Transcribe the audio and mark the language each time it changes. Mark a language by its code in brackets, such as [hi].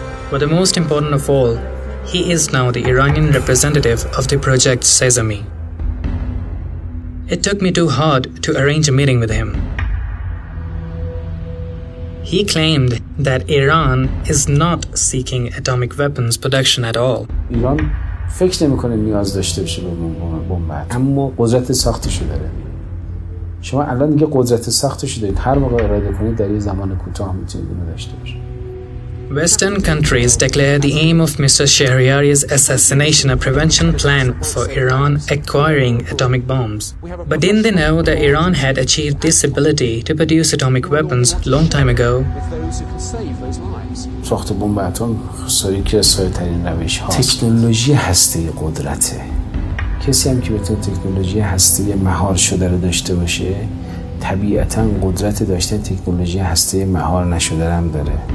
[en] But the most important of all, he is now the Iranian representative of the Project Sesame. It took me too hard to arrange a meeting with him. He claimed that Iran is not seeking atomic weapons production at all. [fa] Iran فکر نمی‌کنه نیاز داشته باشه به بمب اتم. اما قدرت ساختشو داره. شما الان دیگه قدرت ساختشو دارید. هر موقع اراده کنید در یه زمان کوتاه می‌تونید اینو داشته باشید. [en] Western countries declare the aim of Mr. Shehriari's assassination a prevention plan for Iran acquiring atomic bombs. But didn't they know that Iran had achieved this ability to produce atomic weapons long time ago? [fa] ساخت بمب اتم سری که سایه‌ترین روش هاست. تکنولوژی هسته‌ای قدرته. کسی هم که بتونه تکنولوژی هسته‌ای مهار شده رو داشته باشه طبیعتاً قدرت داشتن تکنولوژی هسته‌ای مهار نشده هم داره.